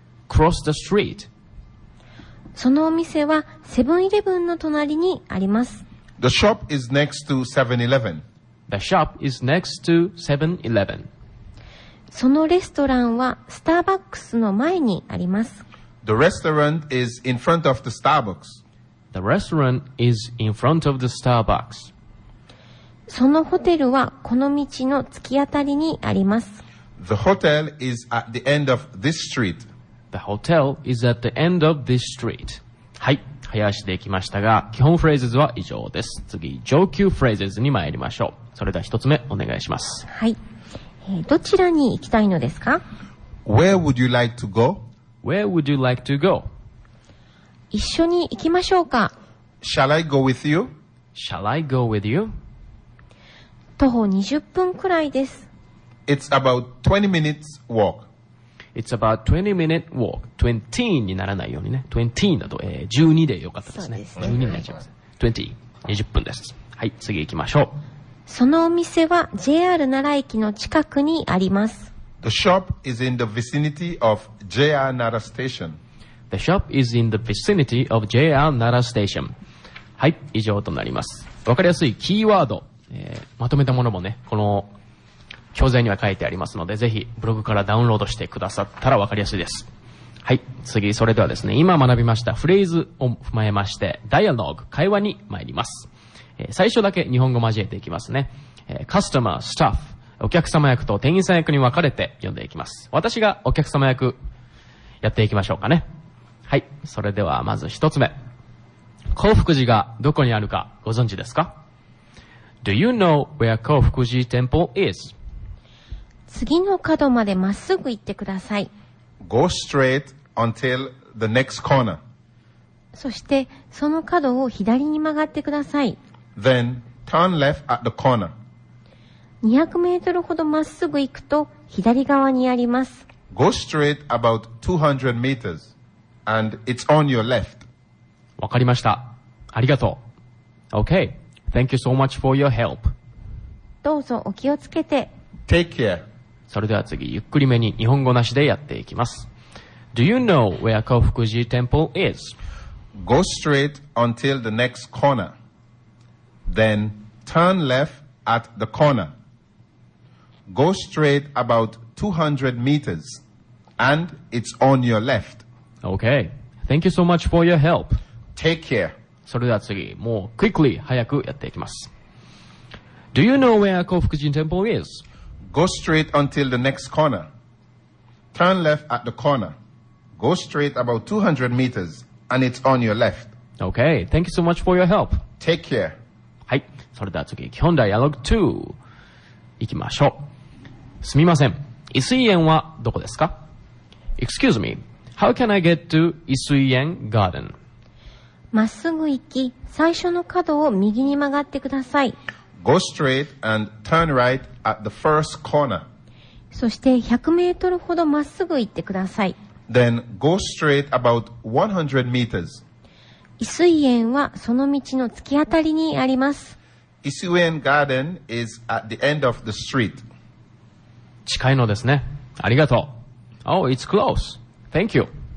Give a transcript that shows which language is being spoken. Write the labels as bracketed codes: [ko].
[en] Cross the street. [ja] そのお店はセブンイレブンの隣にあります。 [en] The shop is next to 7-Eleven. The shop is next to 7-Eleven. [ja] そのレストランはスターバックスの前にあります。 [en] The restaurant is in front of the Starbucks. The restaurant is in front of the Starbucks. [ja] そのホテルはこの道の突き当たりにあります。 [en] The hotel is at the end of this street. The hotel is at the end of this street. [ja] はい、早足で行きましたが、基本フレーズは以上です。次、上級フレーズに参りましょう。それでは一つ目お願いします。はい。どちらに行きたいのですか? [en] Where would you like to go? Where would you like to go? [ja] 一緒に行きましょうか? [en] Shall I go with you? Shall I go with you? [ja] 徒歩20分くらいです。 [en] It's about 20 minutes walk. It's about 20 minute walk. [ja] 20にならないようにね。 20だと、12でよかったですね。そうですね。 12になっちゃいます。20、20分です。はい、次行きましょう。そのお店は JR 奈良駅の近くにあります。 [en] The shop is in the vicinity of JR 奈良 station. The shop is in the vicinity of JR 奈良 station. [ja] はい、以上となります。わかりやすいキーワード、まとめたものもね、この教材には書いてありますので、ぜひブログからダウンロードしてくださったらわかりやすいです。はい、次、それではですね、今学びましたフレーズを踏まえまして、ダイアローグ、会話に参ります。最初だけ日本語交えていきますね。カスタマー、スタッフ、お客様役と店員さん役に分かれて読んでいきます。私がお客様役やっていきましょうかね。はい、それではまず一つ目。興福寺がどこにあるかご存知ですか? [en] Do you know where 興福寺 temple is? [ja] 次の角までまっすぐ行ってください。 [en] Go straight until the next corner. [ja] そしてその角を左に曲がってください。 [en] Then turn left at the corner. [ja] 200メートルほどまっすぐ行くと左側にあります。 [en] Go straight about 200 meters and it's on your left. [ja] わかりました。ありがとう。 [en] Okay. Thank you so much for your help. [ja] どうぞお気をつけて。 [en] Take care. [ja] それでは次、ゆっくりめに日本語なしでやっていきます。 [en] Do you know where 興福寺 temple is? Go straight until the next corner. Then turn left at the corner. Go straight about 200 meters and it's on your left. Okay. Thank you so much for your help. Take care. [ja] それでは次、もう quickly 早くやっていきます。 [en] Do you know where 興福寺 temple is? Go straight until the next corner. Turn left at the corner. Go straight about 200 meters and it's on your left. Okay. Thank you so much for your help. Take care. [ja] はい、それでは次、基本ダイアログ2行きましょう。すみません、伊水園はどこですか? [en] Excuse me, how can I get to 伊水園 garden? [ja] まっすぐ行き、最初の角を右に曲がってください。 [en] Go straight and turn right at the first corner. [ja] そして100メートルほどまっすぐ行ってください。 [en] Then go straight about 100 meters. [ja] 伊水園はその道の突き当たりにあります。 [en] 伊水園ガーデン is at the end of the street. [ja] 近いのですね。ありがとう。 [en] Oh, it's close. Thank you.